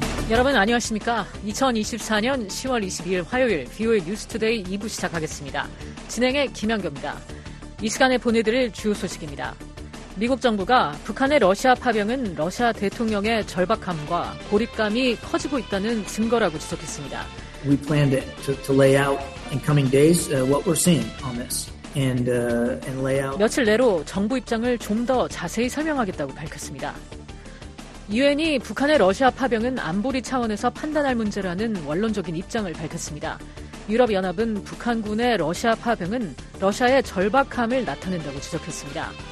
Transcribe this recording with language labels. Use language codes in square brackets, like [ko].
[ko] 여러분 안녕하십니까? 2024년 10월 22일 화요일 VOA News Today 2부 시작하겠습니다. 진행의 김연경입니다. 이 시간에 보내드릴 주요 소식입니다. 미국 정부가 북한의 러시아 파병은 러시아 대통령의 절박함과 고립감이 커지고 있다는 증거라고 지적했습니다. [en] We plan to lay out in coming days what we're seeing on this. And lay out [ko] 며칠 내로 정부 입장을 좀 더 자세히 설명하겠다고 밝혔습니다. 유엔이 북한의 러시아 파병은 안보리 차원에서 판단할 문제라는 원론적인 입장을 밝혔습니다. 유럽연합은 북한군의 러시아 파병은 러시아의 절박함을 나타낸다고 지적했습니다.